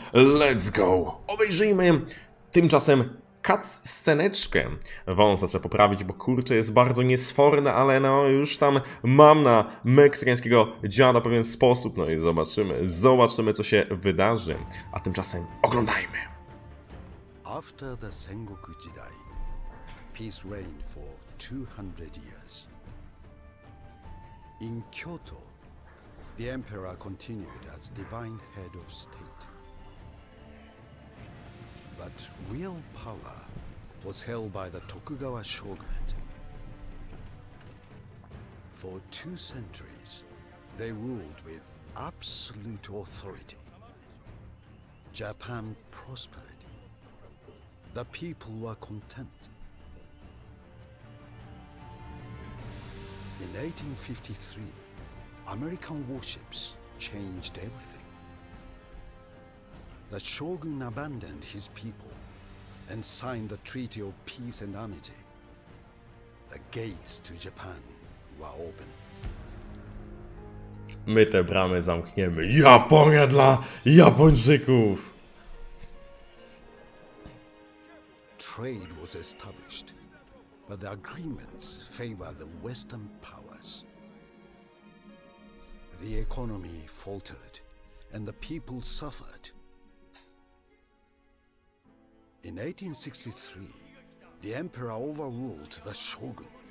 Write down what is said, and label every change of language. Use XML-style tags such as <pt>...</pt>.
<en>Let's go!</en> <pl>Obejrzyjmy tymczasem cutsceneczkę. Wąsa trzeba poprawić, bo kurczę, jest bardzo niesforne, ale no już tam mam na meksykańskiego dziada pewien sposób, no i zobaczymy, co się wydarzy. A tymczasem oglądajmy.</pl> <en>After the Sengoku Jidai, peace reigned for 200 years. In Kyoto, the emperor continued as divine head of state. But real power was held by the Tokugawa shogunate. For two centuries, they ruled with absolute authority. Japan prospered. The people were content. In 1853, American warships changed everything. The Shogun abandoned his people and signed the Treaty of Peace and Amity. The gates to Japan were open.</en> <pl>My te bramy zamkniemy. Japonia dla Japończyków!</pl> <en>Trade was established. but the agreements favor the Western powers. The economy faltered, and the people suffered. In 1863, the emperor overruled the shogun.</en>